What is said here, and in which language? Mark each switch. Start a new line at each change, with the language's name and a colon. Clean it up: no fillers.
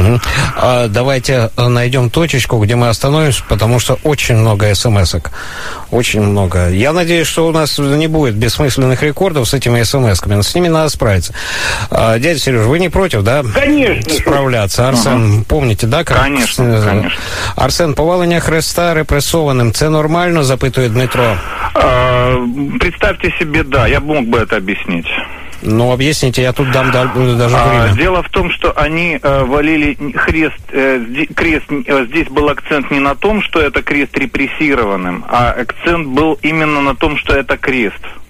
Russian: Угу. Давайте найдем точечку, где мы остановимся, потому что очень много смс-ок. Очень много. Я надеюсь, что у нас не будет бессмысленных рекордов с этими смс-ками, но с ними надо справиться. Дядя Сереж, вы не против, да? Конечно. Справляться. Арсен, помните, да? Конечно.
Ukrainian: Арсен, повалення Христа репресованным, це нормально, запитує Дмитро?
Russian: Представьте себе, да, я мог бы это объяснить. Ну, объясните, я тут дам даже время. Дело в том, что они валили крест, здесь был акцент не на том, что это крест репрессированным, а акцент был именно на том, что это крест.